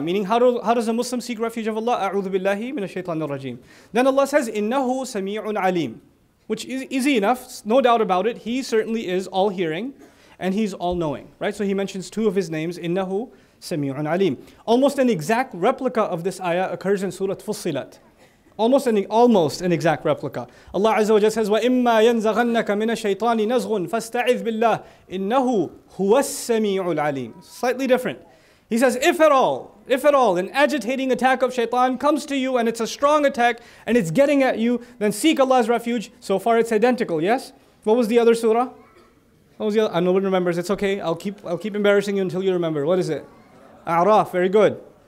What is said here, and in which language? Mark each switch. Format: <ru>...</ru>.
<en>Meaning, how does a Muslim seek refuge of Allah?</en> <ar>أَعُوذُ بِاللَّهِ مِنَ الشَّيْطَانِ الرَّجِيمِ</ar> <en>Then Allah says,</en> <ar>إِنَّهُ سَمِيعٌ عَلِيمٌ</ar> <en>Which is easy enough, no doubt about it. He certainly is all-hearing and he's all-knowing, right? So he mentions two of his names,</en> <ar>إِنَّهُ سَمِيعٌ عَلِيمٌ</ar> <en>Almost an exact replica of this ayah occurs in Surah Fussilat. Almost an exact replica. Allah Azza wa Jalla says,</en> <ar>وَإِمَّا يَنْزَغَنَّكَ مِنَ الشَّيْطَانِ نَزْغٌ فَاسْتَعِذْ بِاللَّهِ إِنَّهُ هُوَ السَّمِيعُ الْعَلِيمُ</ar> <en>Slightly different. He says, if at all, an agitating attack of shaitan comes to you and it's a strong attack and it's getting at you, then seek Allah's refuge. So far it's identical, yes? What was the other surah? No one remembers. It's okay. I'll keep embarrassing you until you remember. What is it? A'raf. Very good.</en>